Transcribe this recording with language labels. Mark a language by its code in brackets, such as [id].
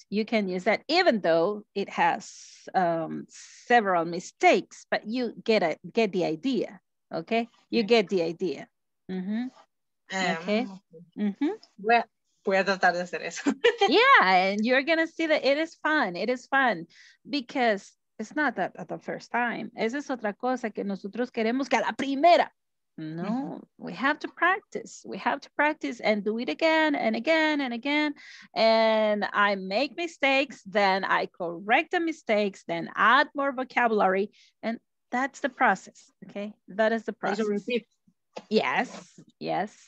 [en] You can use that even though it has several mistakes, but you get the idea, okay? You get the idea. Mm-hmm. Okay. [es] Mm-hmm. [en] Well, [es] voy a tratar de hacer eso. [en] Yeah, and you're going to see that it is fun. It is fun because it's not that at the first time. [es] Esa es otra cosa que nosotros queremos que a la primera. [en] No, mm-hmm. We have to practice. We have to practice and do it again and again and again. And I make mistakes, then I correct the mistakes, then add more vocabulary. And that's the process, okay? That is the process. Yes, yes.